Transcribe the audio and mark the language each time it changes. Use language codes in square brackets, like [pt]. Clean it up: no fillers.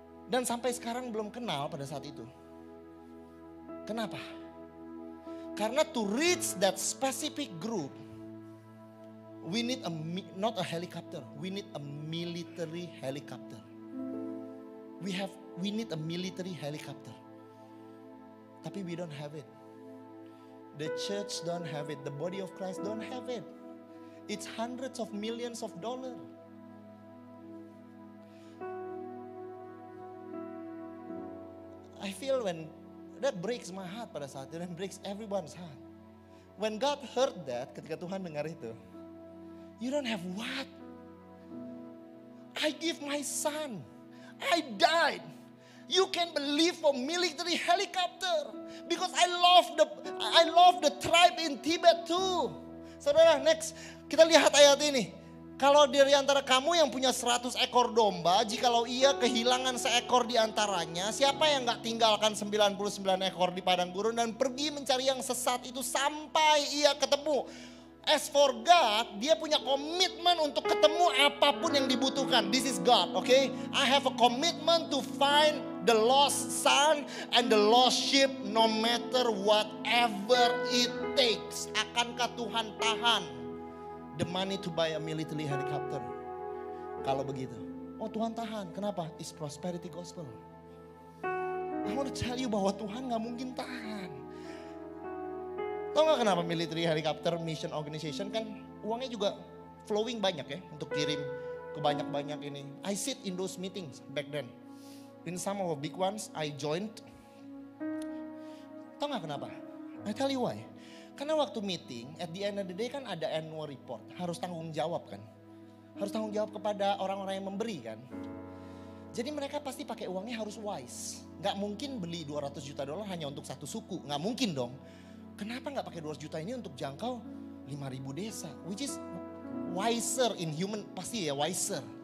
[id] Dan sampai sekarang belum kenal pada saat itu. Kenapa? Karena [en] to reach that specific group, we need not a helicopter, we need a military helicopter. We need a military helicopter. [id] Tapi [en] we don't have it. The church don't have it. The body of Christ don't have it. It's hundreds of millions of dollars. I feel when that breaks my heart [id] pada saat itu, [en] and breaks everyone's heart. When God heard that, [id] ketika Tuhan dengar itu, [en] you don't have what? I give my son. I died. You can believe for military helicopter because I love the tribe in Tibet too. [id] Saudara, next kita lihat ayat ini. Kalau dari antara kamu yang punya 100 ekor domba, jikalau ia kehilangan seekor di antaranya, siapa yang enggak tinggalkan 99 ekor di padang gurun dan pergi mencari yang sesat itu sampai ia ketemu? [en] As for God, [id] dia punya komitmen untuk ketemu apapun yang dibutuhkan. [en] This is God, okay? I have a commitment to find the lost son and the lost sheep no matter whatever it takes. [id] Akankah Tuhan tahan [en] the money to buy a military helicopter? [id] Kalau begitu, oh Tuhan tahan, kenapa? [en] It's prosperity gospel. I want to tell you [id] bahwa Tuhan gak mungkin tahan. Tahu gak kenapa military helicopter mission organization kan uangnya juga flowing banyak ya untuk kirim ke banyak-banyak ini. [en] I sit in those meetings back then. In some of the big ones I joined. [id] Tahu gak kenapa? [en] I tell you why. [id] Karena waktu meeting, [en] at the end of the day kan ada annual report. [id] Harus tanggung jawab kan. Harus tanggung jawab kepada orang-orang yang memberi kan. Jadi mereka pasti pakai uangnya harus wise. Gak mungkin beli 200 juta dolar hanya untuk satu suku. Gak mungkin dong. Kenapa gak pakai 200 juta ini untuk jangkau 5.000 desa? [en] Which is wiser in human, [id] pasti ya [en] wiser.